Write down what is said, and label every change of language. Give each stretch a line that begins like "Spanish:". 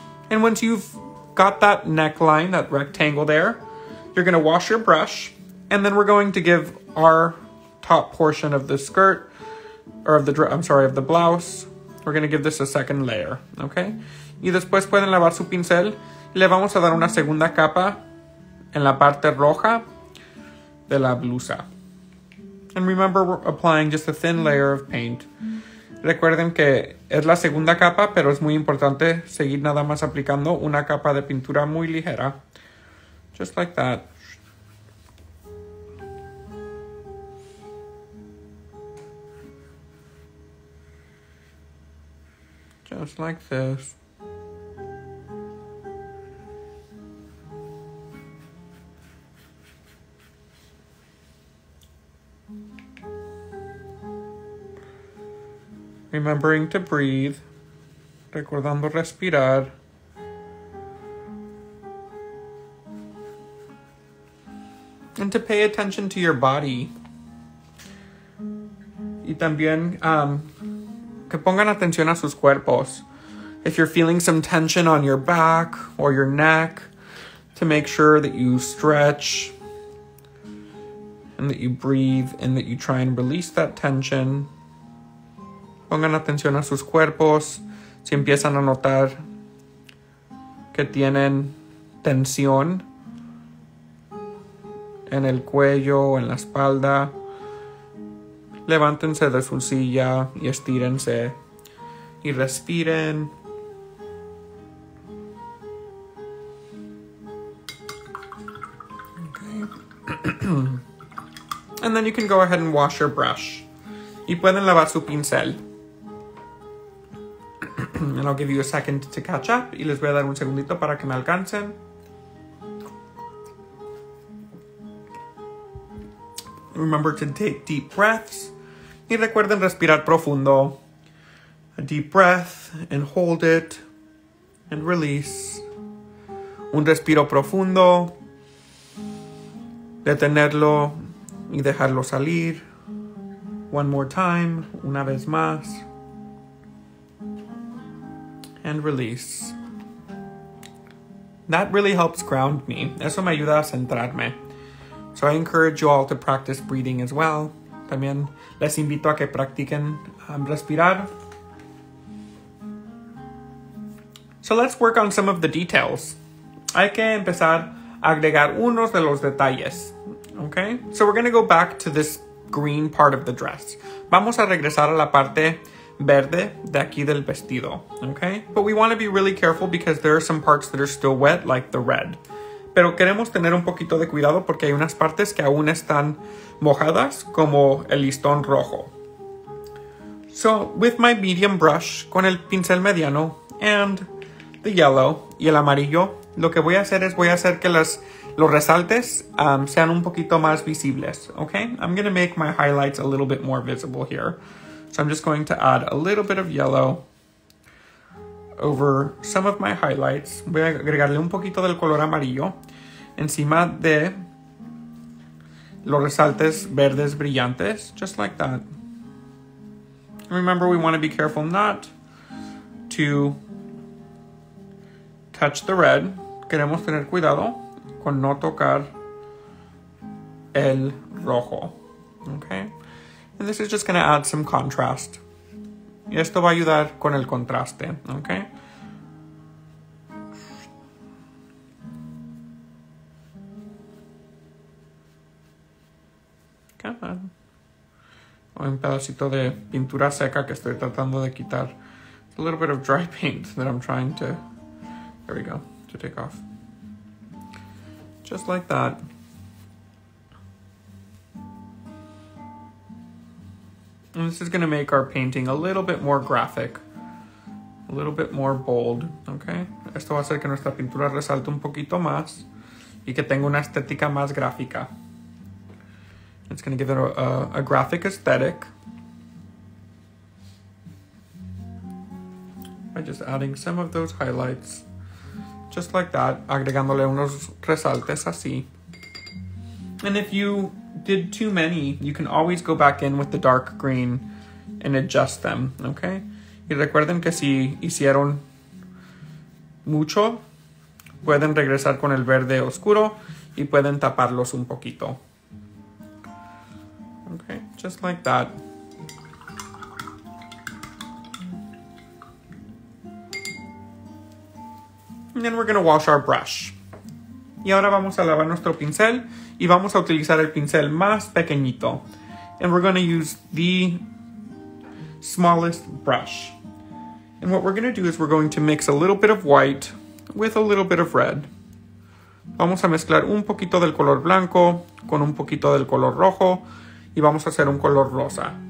English: And once you've got that neckline, that rectangle there, you're going to wash your brush, and then we're going to give our top portion of the skirt, or of the, I'm sorry, of the blouse, we're going to give this a second layer, okay?
Spanish: Y después pueden lavar su pincel, y le vamos a dar una segunda capa en la parte roja de la blusa.
English: And remember, we're applying just a thin layer of paint.
Spanish: Recuerden que es la segunda capa, pero es muy importante seguir nada más aplicando una capa de pintura muy ligera.
English: Just like that. Just like this. Remembering to breathe.
Spanish: Recordando respirar.
English: And to pay attention to your body.
Spanish: Y también, que pongan atención a sus cuerpos.
English: If you're feeling some tension on your back or your neck, to make sure that you stretch and that you breathe and that you try and release that tension.
Spanish: Pongan atención a sus cuerpos. Si empiezan a notar que tienen tensión en el cuello, en la espalda, levántense de su silla y estírense y respiren.
English: Okay. And then you can go ahead and wash your brush.
Spanish: Y pueden lavar su pincel.
English: And I'll give you a second to catch up.
Spanish: Y les voy a dar un segundito para que me alcancen.
English: Remember to take deep breaths.
Spanish: Y recuerden respirar profundo.
English: A deep breath and hold it and release.
Spanish: Un respiro profundo. Detenerlo y dejarlo salir.
English: One more time,
Spanish: una vez más.
English: And release. That really helps ground me.
Spanish: Eso me ayuda a centrarme.
English: So I encourage you all to practice breathing as well.
Spanish: También les invito a que practiquen respirar.
English: So let's work on some of the details.
Spanish: Hay que empezar a agregar unos de los detalles.
English: Okay? So we're going to go back to this green part of the dress.
Spanish: Vamos a regresar a la parte verde de aquí del vestido.
English: Okay? But we want to be really careful because there are some parts that are still wet, like the red.
Spanish: Pero queremos tener un poquito de cuidado porque hay unas partes que aún están mojadas, como el listón rojo.
English: So, with my medium brush,
Spanish: con el pincel mediano,
English: and the yellow
Spanish: y el amarillo, lo que voy a hacer es voy a hacer que los resaltes sean un poquito más visibles, okay?
English: I'm going to make my highlights a little bit more visible here. So I'm just going to add a little bit of yellow over some of my highlights.
Spanish: Voy a agregarle un poquito del color amarillo encima de los resaltes verdes brillantes,
English: just like that. Remember, we want to be careful not to touch the red.
Spanish: Queremos tener cuidado con no tocar el rojo, okay?
English: And this is just going to add some contrast.
Spanish: Y esto va a ayudar con el contraste, okay?
English: Come on.
Spanish: Hay un pedacito de pintura seca que estoy tratando de quitar.
English: It's a little bit of dry paint that I'm trying to, there we go, to take off. Just like that. And this is going to make our painting a little bit more graphic, a little bit more bold, okay?
Spanish: Esto va a hacer que nuestra pintura resalte un poquito más y que tenga una estética más gráfica.
English: It's going to give it a graphic aesthetic by just adding some of those highlights. Just like that,
Spanish: agregándole unos resaltes así.
English: And if you did too many, you can always go back in with the dark green and adjust them, okay?
Spanish: Y recuerden que si hicieron mucho, pueden regresar con el verde oscuro y pueden taparlos un poquito.
English: Okay, just like that. And then we're going to wash our brush.
Spanish: Y ahora vamos a lavar nuestro pincel y vamos a utilizar el pincel más pequeñito.
English: And we're going to use the smallest brush. And what we're going to do is we're going to mix a little bit of white with a little bit of red.
Spanish: Vamos a mezclar un poquito del color blanco con un poquito del color rojo y vamos a hacer un color rosa.